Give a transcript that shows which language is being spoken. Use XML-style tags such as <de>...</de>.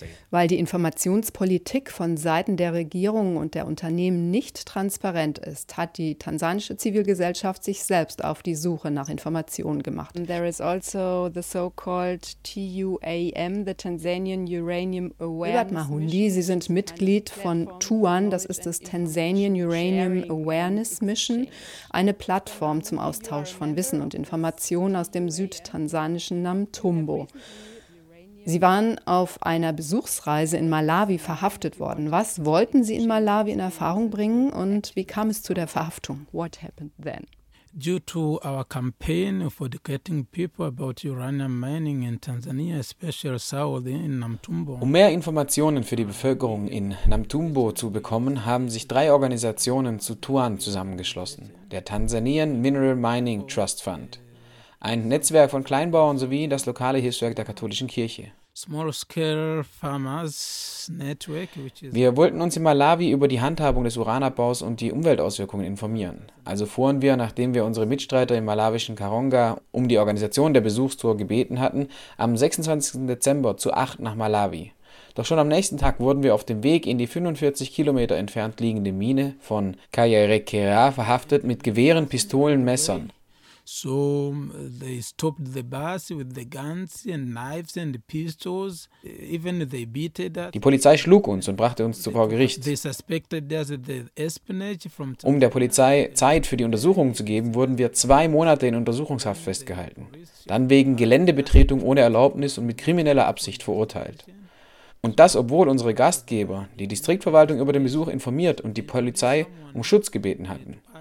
<de>Weil die Informationspolitik von Seiten der Regierung und der Unternehmen nicht transparent ist, hat die tansanische Zivilgesellschaft sich selbst auf die Suche nach Informationen gemacht.</de> <en>There is also the so-called TUAM, the Tanzanian Uranium Awareness Mission.</en> <de>Sie sind Mitglied von TUAN, das ist das Tanzanian Uranium Awareness Mission, eine Plattform zum Austausch von Wissen und Informationen aus dem südtansanischen Namtum. Sie waren auf einer Besuchsreise in Malawi verhaftet worden. Was wollten Sie in Malawi in Erfahrung bringen und wie kam es zu der Verhaftung?</de> <en>What happened then? Due to our campaign for educating people about uranium mining in Tanzania, especially south in Namtumbo.</en> <de>Um mehr Informationen für die Bevölkerung in Namtumbo zu bekommen, haben sich 3 Organisationen zu TUAN zusammengeschlossen: der Tanzanian Mineral Mining Trust Fund, ein Netzwerk von Kleinbauern sowie das lokale Hilfswerk der katholischen Kirche. Wir wollten uns in Malawi über die Handhabung des Uranabbaus und die Umweltauswirkungen informieren. Also fuhren wir, nachdem wir unsere Mitstreiter im malawischen Karonga um die Organisation der Besuchstour gebeten hatten, am 26. Dezember zu 8 nach Malawi. Doch schon am nächsten Tag wurden wir auf dem Weg in die 45 Kilometer entfernt liegende Mine von Kayerekera verhaftet mit Gewehren, Pistolen, Messern.</de> <en>So they stopped the bus with the guns and knives and pistols. Even they beat us.</en> <de>Die Polizei schlug uns und brachte uns vor Gericht.</de> <en>They suspected there's the espionage from.</en> <de>Um der Polizei Zeit für die Untersuchung zu geben, wurden wir 2 Monate in Untersuchungshaft festgehalten. Dann wegen Geländebetretung ohne Erlaubnis und mit krimineller Absicht verurteilt. Und das, obwohl unsere Gastgeber die Distriktverwaltung über den Besuch informiert und die Polizei um Schutz gebeten hatten.</de>